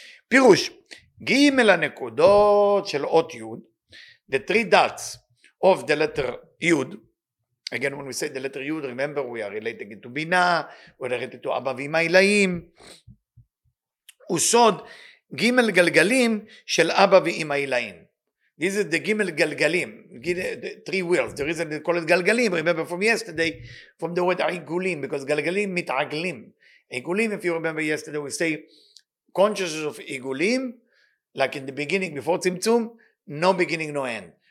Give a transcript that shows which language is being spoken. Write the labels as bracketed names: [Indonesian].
[Hebrew] Pirush, gimel hanekudot shel ot yud, [English] the three dots of the letter yud. Again, when we say the letter yud, remember we are relating it to Bina, we're related to Abba v'Ima Ilayim. Usod, [Hebrew] גימל גלגלים של אבא ואמא עילאים. [English] This is the gimel galgalim, the three wheels. The reason they call it galgalim, remember from yesterday, from the word aigulim, because galgalim mitaglim. Aigulim, if you remember yesterday, we say consciousness of aigulim, like in the beginning, before tzimtzum, no beginning, no end.